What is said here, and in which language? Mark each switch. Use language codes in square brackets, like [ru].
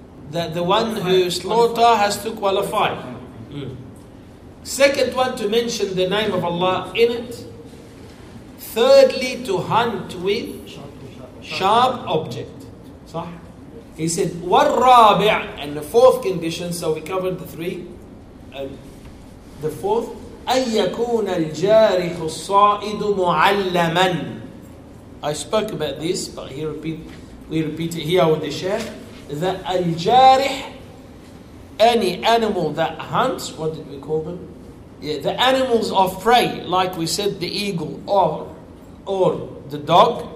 [en] That the one who slaughter has to qualify. Second one, to mention the name of Allah in it. Thirdly, to hunt with sharp object. [ar] صح? [en] He said, والرابع, and the fourth condition, so we covered the three. The fourth, [ar] أن يكون الجارح الصائد معلما. [en] I spoke about this, but we repeat it here with the sheikh. The al-jarih, any animal that hunts, what did we call them? Yeah, the animals of prey, like we said, the eagle or the dog.